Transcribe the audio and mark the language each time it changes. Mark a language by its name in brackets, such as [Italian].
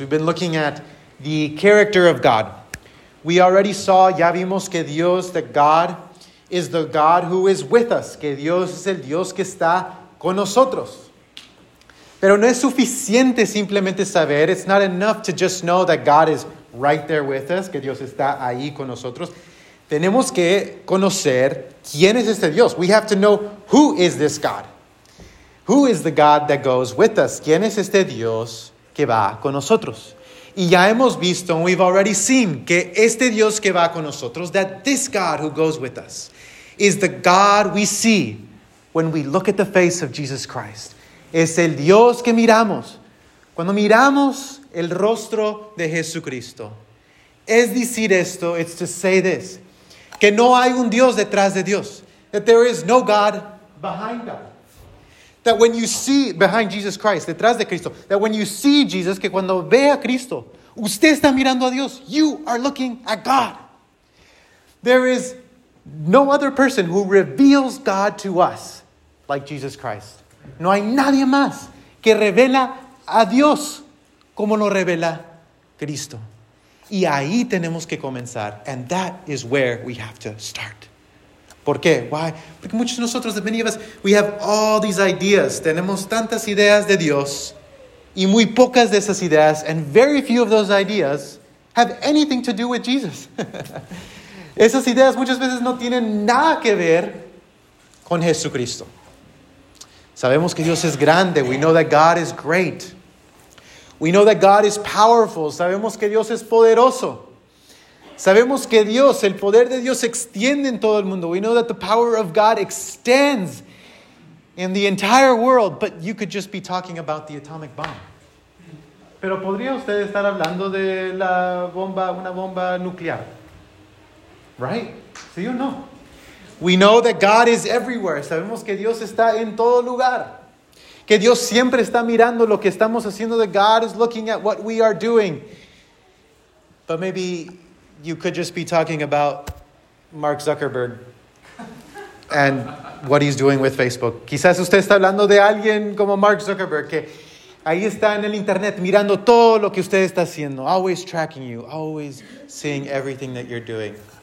[English] We've been looking at the character of God. We already saw, [Spanish] ya vimos que Dios, [English] that God is the God who is with us. [Spanish] Que Dios es el Dios que está con nosotros. Pero no es suficiente simplemente saber. [English] It's not enough to just know that God is right there with us. [Spanish] Que Dios está ahí con nosotros. Tenemos que conocer quién es este Dios. [English] We have to know who is this God. Who is the God that goes with us? [Spanish] ¿Quién es este Dios que va con nosotros? Y ya hemos visto, [English] we've already seen, [Spanish] que este Dios que va con nosotros, [English] that this God who goes with us, is the God we see when we look at the face of Jesus Christ. [Spanish] Es el Dios que miramos. Cuando miramos el rostro de Jesucristo, es decir esto, [English] it's to say this, [Spanish] que no hay un Dios detrás de Dios, [English] that there is no God behind God. That when you see behind Jesus Christ, [Spanish] detrás de Cristo, [English] that when you see Jesus, [Spanish] que cuando ve a Cristo, usted está mirando a Dios. [English] You are looking at God. There is no other person who reveals God to us like Jesus Christ. [Spanish] No hay nadie más que revela a Dios como lo revela Cristo. Y ahí tenemos que comenzar. [English] And that is where we have to start. [Spanish] ¿Por qué? [English] Why? [Spanish] Porque muchos de nosotros, [English] many of us, we have all these ideas. [Spanish] Tenemos tantas ideas de Dios y muy pocas de esas ideas, [English] and very few of those ideas have anything to do with Jesus. [Spanish] Esas ideas muchas veces no tienen nada que ver con Jesucristo. Sabemos que Dios es grande. [English] We know that God is great. We know that God is powerful. [Spanish] Sabemos que Dios es poderoso. Sabemos que Dios, el poder de Dios, extiende en todo el mundo. [English] We know that the power of God extends in the entire world. But you could just be talking about the atomic bomb. [Spanish] Pero podría usted estar hablando de la bomba, una bomba nuclear. [English] Right? [Spanish] ¿Sí o no? [English] We know that God is everywhere. [Spanish] Sabemos que Dios está en todo lugar. Que Dios siempre está mirando lo que estamos haciendo. [English] That God is looking at what we are doing. But maybe you could just be talking about Mark Zuckerberg and what he's doing with Facebook. [Spanish] Quizás usted está hablando de alguien como Mark Zuckerberg, que ahí está en el internet mirando todo lo que usted está haciendo, [English] always tracking you, always seeing everything that you're doing.